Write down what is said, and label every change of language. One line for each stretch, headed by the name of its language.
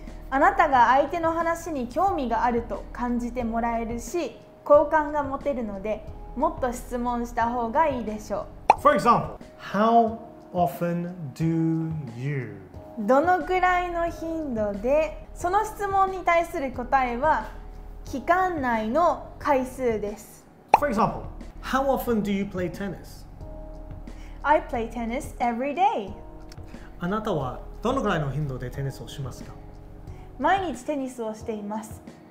Japanese: あなたが相手の話に興味があると感じてもらえるし、好感が持てるので、もっと質問した方がいいでしょう。
English: For example, how often do you?
Japanese: どのくらいの頻度で、その質問に対する答えは期間内の回数です。
English: For example, how often do you play tennis? I play tennis every day.
Japanese: あなたはどのくらいの頻度でテニスをしますか？毎日テニスをしています。